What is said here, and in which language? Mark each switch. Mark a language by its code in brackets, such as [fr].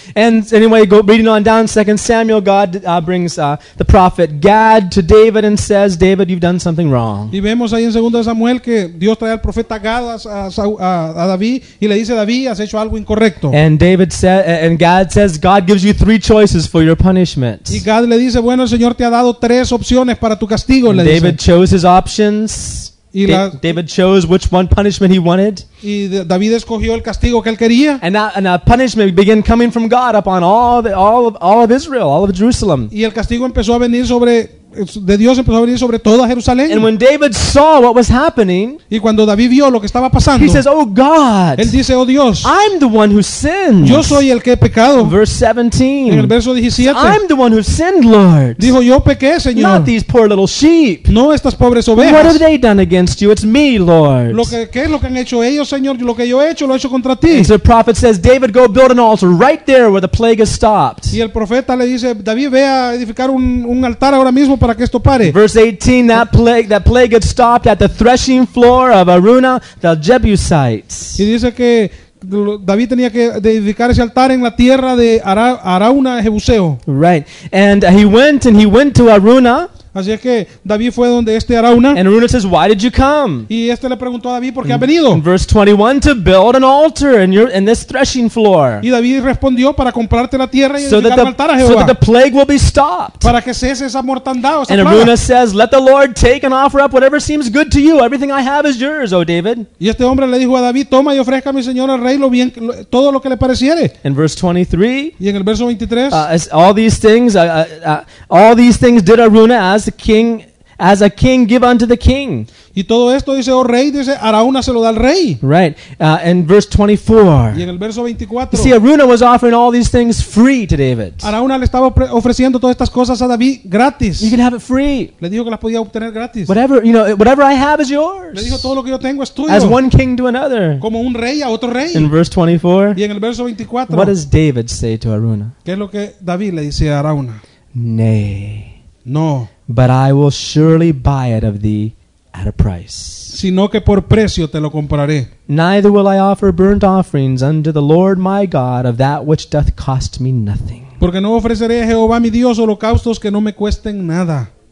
[en] And anyway, go reading on down, 2 Samuel, God brings the prophet Gad to David and says, David, you've done something wrong. [es] Y vemos ahí en 2 Samuel que Dios trae al profeta Gad a David y le dice, David, has hecho algo incorrecto. [en] And David said, and Gad says, God gives you three choices for your punishment. [es] Y Gad le dice, bueno, el Señor te ha dado tres opciones para tu castigo, le dice. [en] David chose his options. David chose which one punishment he wanted. [es] Y David escogió el castigo que él quería. [en] And that punishment began coming from God upon all of Israel, all of Jerusalem. [es] Y el castigo empezó a venir sobre de Dios empezó a venir sobre toda Jerusalén. [en] And when David saw what was happening, [es] y cuando David vio lo que estaba pasando, [en] he says, "Oh God." [es] Él dice, "Oh Dios." [en] I'm the one who sinned. [es] Yo soy el que he pecado. [en] Verse 17. [es] En el verso 17. [en] I'm the one who sinned, Lord. [es] Dijo, "Yo pequé, Señor." [en] Not these poor little sheep. [es] No estas pobres ovejas. [en] What have they done against you? It's me, Lord. [es] ¿Qué es lo que han hecho ellos, Señor? Lo que yo he hecho lo he hecho contra ti. [en] And so the prophet says, "David, go build an altar right there where the plague has stopped." [es] Y el profeta le dice, "David, ve a edificar un altar ahora mismo." Para que esto pare. [en] Verse 18, that plague had stopped at the threshing floor of Arauna, the Jebusites. [es] Y dice que David tenía que dedicar ese altar en la tierra de Arauna, Jebuseo. [en] Right, and he went to Arauna. [es] Así es que David fue donde este Arauna. [en] And Arauna says, "Why did you come?" [es] Y este le preguntó a David, ¿por qué has venido? [en] In verse 21, to build an altar in this threshing floor. [es] Y David respondió para comprarte la tierra y edificar un altar a [en] Jehová. So that the plague will be stopped. [es] Para que cese esa mortandad. [en] And Arauna says, "Let the Lord take and offer up whatever seems good to you. Everything I have is yours, O David." [es] Y este hombre le dijo a David, toma y ofrezca a mi señor al rey todo lo que le pareciere. [en] In verse 23. [es] Y en el verso 23. [en] All these things did Arauna as a king give unto the king. [es] Y todo esto dice, oh rey, dice, Arauna se lo da al rey. [en] Right. In verse 24. [es] Y en el verso 24. [en] You see, Arauna was offering all these things free to David. [es] Arauna le estaba ofreciendo todas estas cosas a David gratis. [en] You can have it free. [es] Le dijo que las podía obtener gratis. [en] Whatever, you know, whatever I have is yours. [es] Le dijo, todo lo que yo tengo es tuyo. [en] As one king to another. [es] Como un rey a otro rey. [en] In verse 24. [es] Y en el verso 24. [en] What does David say to Arauna? [es] ¿Qué es lo que David le dice a Arauna? [en] Nay. [es] No. [en] But I will surely buy it of thee at a price. [es] Sino que por precio te lo compraré. [en] Neither will I offer burnt offerings unto the Lord my God of that which doth cost me nothing. [es] Porque no ofreceré a Jehová mi Dios holocaustos que no me cuesten nada.